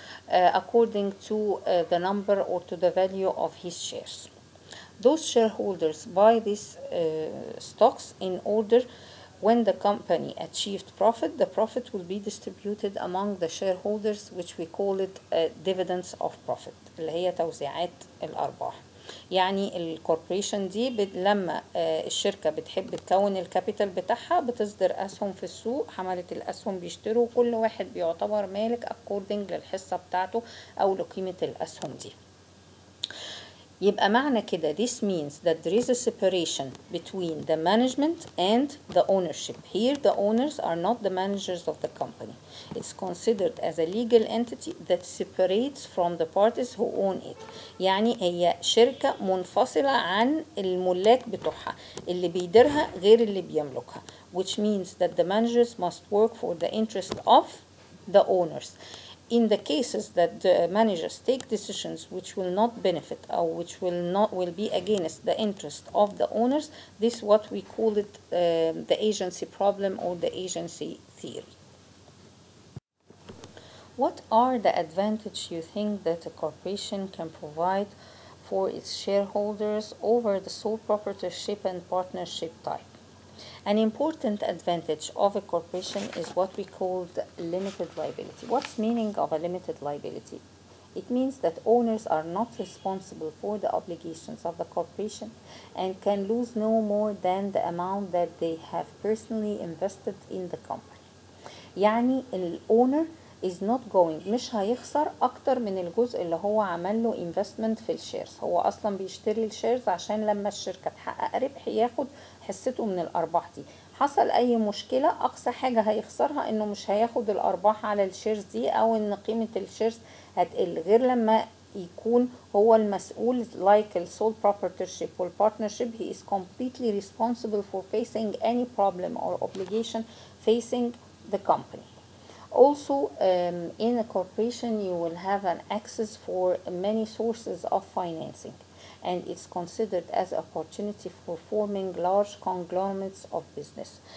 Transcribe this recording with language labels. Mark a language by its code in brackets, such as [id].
[en] according to the number or to the value of his shares. Those shareholders buy these stocks in order when the company achieved profit, the profit will be distributed among the shareholders, which we call it dividends of profit, [ar] اللي هي توزيعات الأرباح. يعني الكوربوريشن دي لما الشركة بتحب تكون الكابيتال بتاعها بتصدر أسهم في السوق، حملة الأسهم بيشتروا، كل واحد بيعتبر مالك أكوردنج للحصة بتاعته أو لقيمة الأسهم دي. يبقى معنى كده [en] this means that there is a separation between the management and the ownership. Here the owners are not the managers of the company. It's considered as a legal entity that separates from the parties who own it. [ar] يعني هي شركة منفصلة عن الملاك بتوعها، اللي بيديرها غير اللي بيملكها. [en] Which means that the managers must work for the interest of the owners. In the cases that the managers take decisions which will not benefit or which will be against the interest of the owners, this is what we call it the agency problem or the agency theory. What are the advantages you think that a corporation can provide for its shareholders over the sole proprietorship and partnership type? An important advantage of a corporation is what we call the limited liability. What's the meaning of a limited liability? It means that owners are not responsible for the obligations of the corporation and can lose no more than the amount that they have personally invested in the company. [ar] يعني الowner [en] is not going, [ar] مش هيخسر أكتر من الجزء اللي هو عمله investment في الشيرز. هو أصلا بيشتري الشيرز عشان لما الشركة تحقق ربح ياخد حسيته من الأرباح دي. حصل أي مشكلة أقصى حاجة هيخسرها إنه مش هياخد الأرباح على الشيرز دي أو إن قيمة الشيرز هتقل، غير لما يكون هو المسؤول [en] like the sole proprietorship or partnership. He is completely responsible for facing any problem or obligation facing the company. Also in a corporation you will have an access for many sources of financing. And it's considered as an opportunity for forming large conglomerates of business.